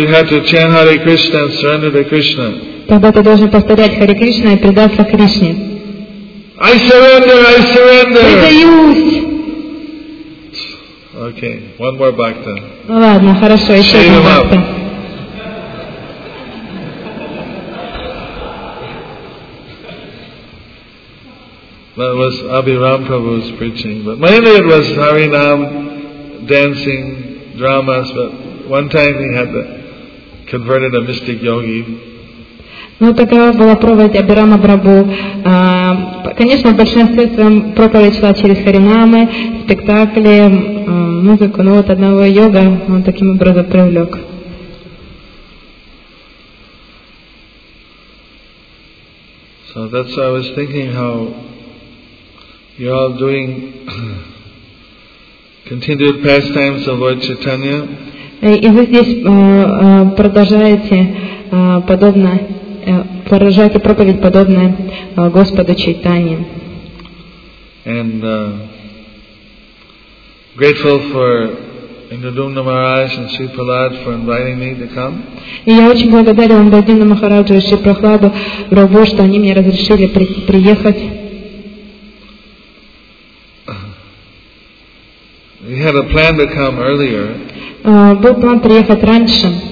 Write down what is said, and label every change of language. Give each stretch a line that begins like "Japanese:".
English: Then you have to chant Hare Krishna and surrender to Krishna.
Russian: Тогда ты должен повторять Харе Кришна и предаться Кришне.
English: I surrender.
Russian: Предаюсь.
English: Okay, one more bhakta.
Russian: Ну ладно, хорошо, еще один бхакта.
English: That was Abhiram Prabhu's preaching, but mainly it was Harinam, dancing, dramas. But one time he had converted a mystic yogi.
Russian: Ну такая была проповедь Абхирама Прабху. Конечно, большинство своем проповедь шла через харинамы, спектакли, музыку. Но вот одного йога он таким образом привлек.
English: So that's why I was thinking how. You're all doing continued pastimes of Lord Chaitanya.
Russian: И вы здесь продолжаете подобное, продолжаете проповедь подобное Господу Чайтанье.
English: And grateful for Indradumna Maharaj and Sri Prahlad for inviting me to come.
Russian: И я очень благодарен Индрадумна Махараджу и Шри Прахладу Прабху, что они мне разрешили приехать.
English: We had a plan to come earlier.
Russian: Был план приехать раньше.